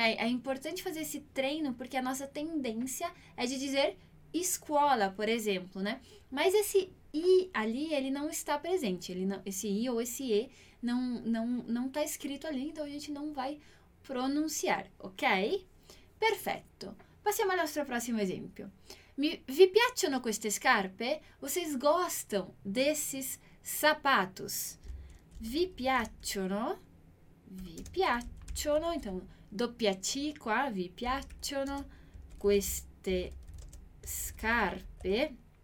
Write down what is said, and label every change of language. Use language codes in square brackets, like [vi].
[pt] É importante fazer esse treino porque a nossa tendência é de dizer escola, por exemplo, né? Mas esse i ali, ele não está presente. Ele não, esse i ou esse e não está escrito ali, então a gente não vai pronunciar, ok? Perfeito. Passiamo ao nosso próximo exemplo. [it] Vi piacciono queste scarpe? [pt] Vocês gostam desses sapatos? [it] Vi piacciono? Vi piacciono? Então, doppia C qua, vi piacciono queste scarpe.